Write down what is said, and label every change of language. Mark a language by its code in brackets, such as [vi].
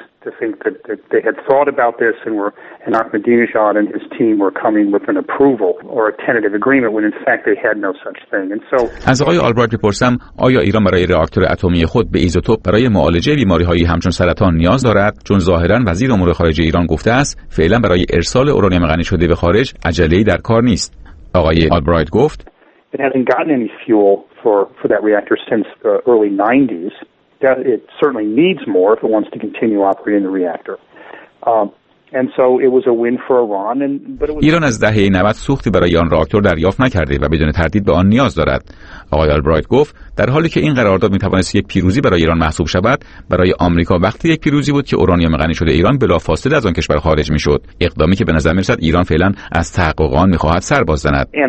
[en] To think that they had thought about this and were and Ahmadinejad and his team were coming with an approval or a tentative agreement when in fact they had no such thing. And so [fa] از آقای آلبرایت بپرسم آیا ایران برای راکتور اتمی خود به ایزوتوپ برای معالجه بیماری‌های همچون سرطان نیاز دارد؟ چون ظاهراً وزیر امور خارجه ایران گفته است فعلا برای ارسال اورانیوم غنی شده به خارج عجله‌ای در کار نیست. آقای آلبرایت گفت [en] It hasn't gotten any fuel for that reactor since the early 90s. It certainly needs more if it wants to continue operating the reactor. And so it was a win for Iran. [fa] ایران از دهه 90 سوختی برای آن راکتور دریافت نکرده و بدون تردید به آن نیاز دارد. آقای آلبرایت گفت در حالی که این قرارداد میتوانست یک پیروزی برای ایران محسوب شود، برای آمریکا وقتی یک پیروزی بود که اورانیوم غنی شده ایران بلافاصله از آن کشور خارج میشد، اقدامی که به نظر میرسد ایران فعلا از تحقق آن میخواهد سر باز زند.